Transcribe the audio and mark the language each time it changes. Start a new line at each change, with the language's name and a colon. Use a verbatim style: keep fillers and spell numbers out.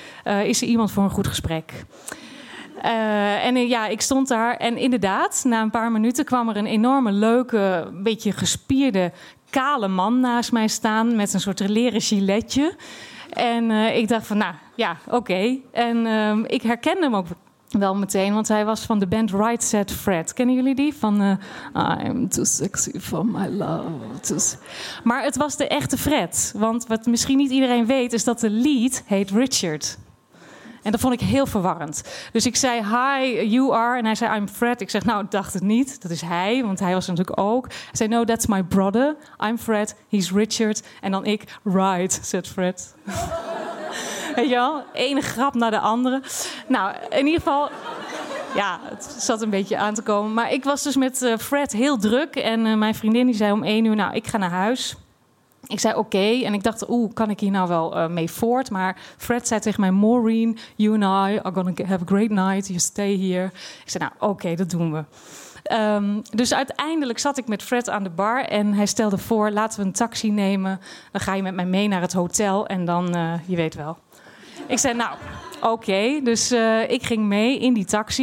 Dutch: Uh, is er iemand voor een goed gesprek? Uh, en ja, ik stond daar. En inderdaad, na een paar minuten kwam er een enorme leuke, beetje gespierde, kale man naast mij staan. Met een soort leren giletje. En uh, ik dacht van, nou, ja, oké. Okay. En uh, ik herkende hem ook Wel meteen, want hij was van de band Right Said Fred. Kennen jullie die? Van uh,
English: I'm too sexy for my love. Too...
Dutch: Maar het was de echte Fred. Want wat misschien niet iedereen weet, is dat de lead heet Richard. En dat vond ik heel verwarrend. Dus ik zei,
English: hi, you are.
Dutch: En hij zei,
English: I'm Fred.
Dutch: Ik zeg, nou, ik dacht het niet. Dat is hij, want hij was er natuurlijk ook. Hij zei,
English: no, that's my brother. I'm Fred, he's Richard.
Dutch: En dan ik, right, said Fred. Weet je wel? Ene grap naar de andere. Nou, in ieder geval... Ja, het zat een beetje aan te komen. Maar ik was dus met uh, Fred heel druk. En uh, mijn vriendin die zei om één uur... Nou, ik ga naar huis. Ik zei oké. Okay. En ik dacht, oeh, kan ik hier nou wel uh, mee voort? Maar Fred zei tegen mij...
English: Maureen, you and I are gonna have a great night. You stay here.
Dutch: Ik zei, nou, oké, okay, dat doen we. Um, dus uiteindelijk zat ik met Fred aan de bar en hij stelde voor... laten we een taxi nemen, dan ga je met mij mee naar het hotel... en dan, uh, je weet wel. Ik zei, nou, oké. Okay. Dus uh, ik ging mee in die taxi.